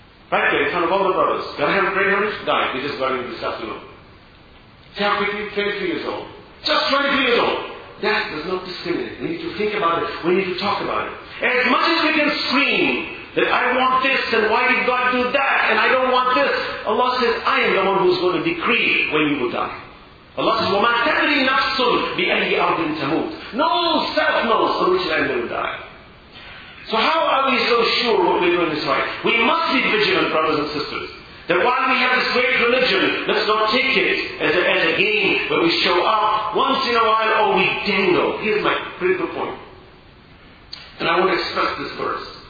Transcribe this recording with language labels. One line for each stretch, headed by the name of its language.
English: Right there, in front of all the brothers, got a brain hemorrhage, died. He just got in this afternoon. See how quickly? 23 years old. Just 23 years old. Death does not discriminate. We need to think about it. We need to talk about it. As much as we can scream that I want this, and why did God do that, and I don't want this, Allah says, I am the one who's going to decree when you will die. Allah says,
Arabic: وَمَا تَدْرِي نَفْسٌ بِأَيِّ أَرْضٍ تَمُوتٌ.
English: No self knows on which land they will die. So how are we so sure what we're doing is right? We must be vigilant, brothers and sisters, that while we have this great religion, let's not take it as a game where we show up once in a while, or we dangle. Here's my critical point. And I want to express this verse.